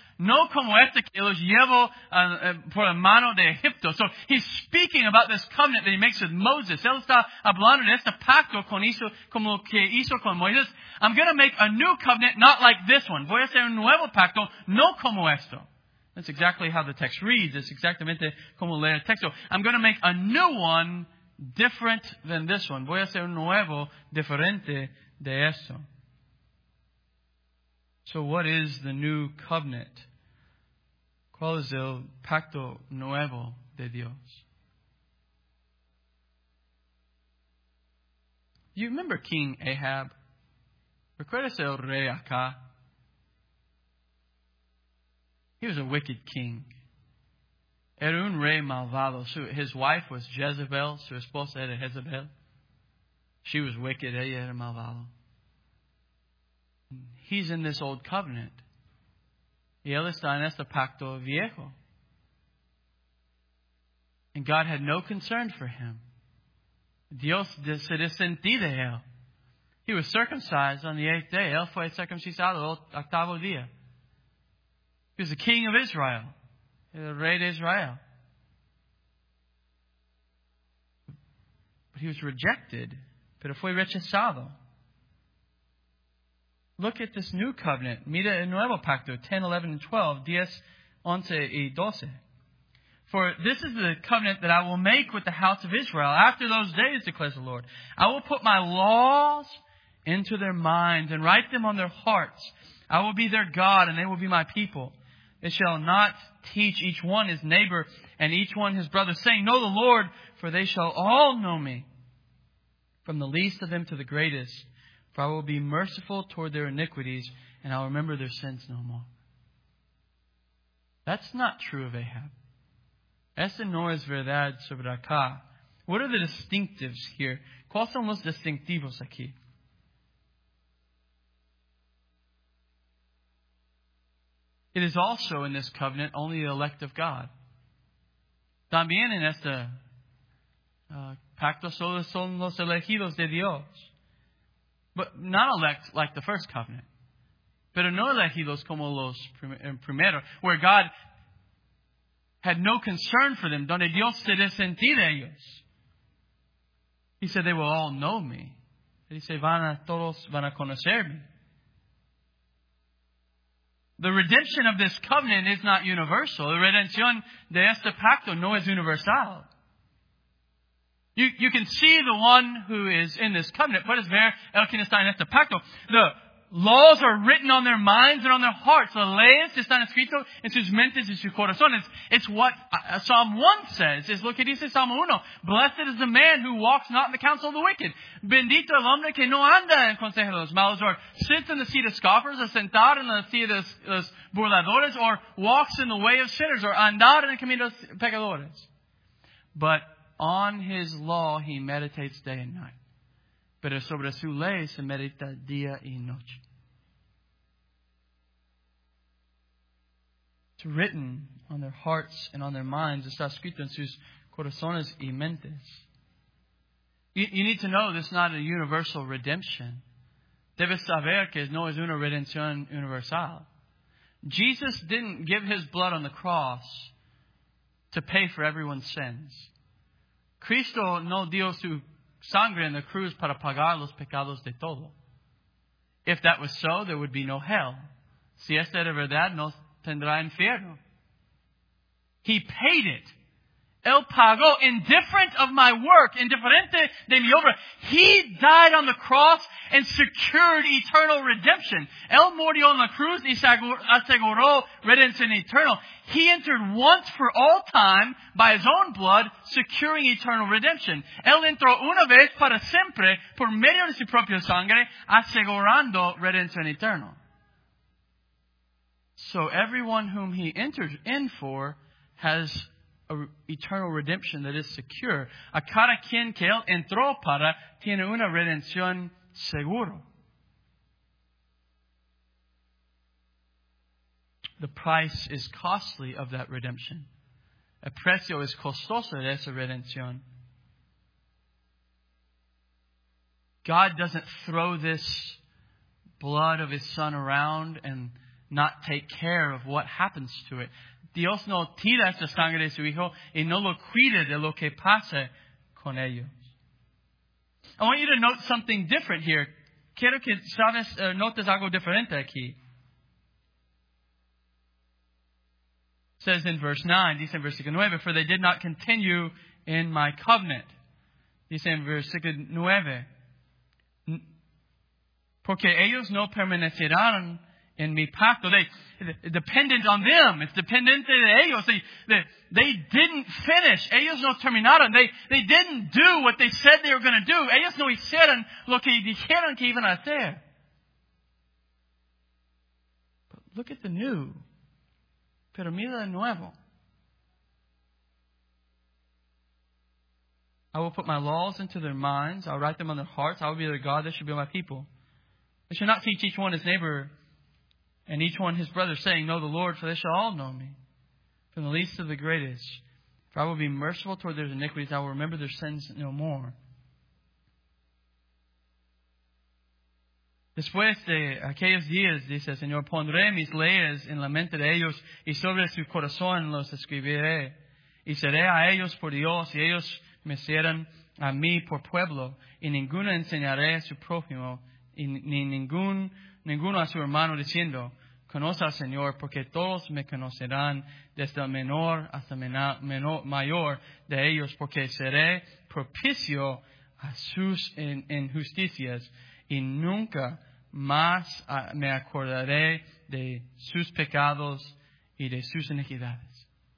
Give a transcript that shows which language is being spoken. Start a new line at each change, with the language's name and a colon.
Spanish: No como este que los llevo por la mano de Egipto.
English: So he's speaking about this covenant that he makes with Moses.
Spanish: Él está hablando de este pacto como que hizo con Moisés.
English: I'm going to make a new covenant, not like this one.
Spanish: Voy a hacer un nuevo pacto, no como esto.
English: That's exactly how the text reads.
Spanish: It's exactamente como lee el texto.
English: I'm going to make a new one different than this one.
Spanish: Voy a hacer un nuevo diferente de esto.
English: So what is the new covenant?
Spanish: ¿Cuál es el pacto nuevo de Dios?
English: You remember King Ahab?
Spanish: ¿Recuerdas el rey acá?
English: He was a wicked king.
Spanish: Era un rey malvado.
English: His wife was Jezebel.
Spanish: Su esposa era Jezebel.
English: She was wicked.
Spanish: Ella era malvado.
English: He's in this old covenant.
Spanish: Y él está en este pacto viejo.
English: And God had no concern for him.
Spanish: Dios se desentí de él.
English: He was circumcised on the eighth day.
Spanish: Él fue circuncisado el octavo día.
English: He was the king of Israel. The
Spanish: rey de Israel.
English: But he was rejected.
Spanish: Pero fue rechazado.
English: Look at this new covenant.
Spanish: Mira el nuevo pacto,
English: 10, 11, and 12, 10, 11, y 12. For this is the covenant that I will make with the house of Israel after those days, declares the Lord. I will put my laws into their minds and write them on their hearts. I will be their God and they will be my people. They shall not teach each one his neighbor and each one his brother, saying, know the Lord, for they shall all know me, from the least of them to the greatest. For I will be merciful toward their iniquities, and I'll remember their sins no more. That's not true of Ahab.
Spanish: Esa no es verdad sobre acá.
English: What are the distinctives here?
Spanish: ¿Cuáles son los distintivos aquí?
English: It is also in this covenant only the elect of God.
Spanish: También en este pacto solo son los elegidos de Dios.
English: But not elect like the first covenant.
Spanish: Pero no elegidos como los primeros,
English: where God had no concern for them,
Spanish: donde Dios se desentí de ellos.
English: He said, they will all know me. He said,
Spanish: todos van a conocer me.
English: The redemption of this covenant is not universal.
Spanish: The redención de este pacto no es universal.
English: You can see the one who is in this covenant.
Spanish: Puedes ver el quien está en este pacto.
English: The laws are written on their minds and on their hearts.
Spanish: Las leyes están escritas en sus mentes y sus corazones.
English: It's what Psalm 1 says.
Spanish: Es lo que dice
English: Psalm 1. Blessed is the man who walks not in the counsel of the wicked.
Spanish: Bendito el hombre que no anda en consejo de los malos.
English: Or sits in the seat of scoffers, or
Spanish: sentar en la silla de los burladores,
English: or walks in the way of sinners, or
Spanish: andar en el camino de los pecadores.
English: But on his law he meditates day and night.
Spanish: Pero sobre su ley se medita día y noche.
English: It's written on their hearts and on their minds.
Spanish: Está escrito en sus corazones y mentes.
English: You need to know this is not a universal redemption.
Spanish: Debes saber que no es una redención universal.
English: Jesus didn't give his blood on the cross to pay for everyone's sins.
Spanish: Cristo no dio su sangre en la cruz para pagar los pecados de todo.
English: If that was so, there would be no hell.
Spanish: Si esta era verdad, no tendrá infierno.
English: He paid it.
Spanish: Él pagó,
English: indifferent of my work,
Spanish: indiferente de mi obra.
English: He died on the cross and secured eternal redemption.
Spanish: Él murió en la cruz y aseguró redención eternal.
English: He entered once for all time by his own blood, securing eternal redemption.
Spanish: Él entró una vez para siempre por medio de su propia sangre, asegurando redención eternal.
English: So everyone whom he enters in for has a eternal redemption that is secure.
Spanish: A cada quien que él entró para tiene una redención seguro.
English: The price is costly of that redemption.
Spanish: El precio es costoso de esa redención.
English: God doesn't throw this blood of his son around and not take care of what happens to it.
Spanish: Dios no tira esta sangre de su hijo y no lo cuida de lo que pasa con ellos.
English: I want you to note something different here.
Spanish: Quiero que sabes, notes algo diferente aquí.
English: Says in verse 9,
Spanish: dice en versículo 9,
English: for they did not continue in my covenant.
Spanish: Dice en versículo 9, porque ellos no permanecerán en mi pacto.
English: They dependent on them. It's
Spanish: dependente de ellos.
English: They didn't finish.
Spanish: Ellos no terminaron.
English: They didn't do what they said they were going to do.
Spanish: Ellos no hicieron lo que dijeron que iban a hacer.
English: But look at the new.
Spanish: Pero mira de nuevo.
English: I will put my laws into their minds. I'll write them on their hearts. I will be their God. They should be my people. They should not teach each one his neighbor and each one his brother, saying, know the Lord, for they shall all know me, from the least to the greatest. For I will be merciful toward their iniquities. I will remember their sins no more.
Spanish: Después de aquellos días, dice el Señor, pondré mis leyes en la mente de ellos y sobre su corazón los escribiré. Y seré a ellos por Dios y ellos me serán a mí por pueblo. Y ninguno enseñaré a su prójimo, y ninguno a su hermano, diciendo, conoce al Señor, porque todos me conocerán desde el menor hasta menor, mayor de ellos, porque seré propicio a sus injusticias y nunca más me acordaré de sus pecados y de sus iniquidades.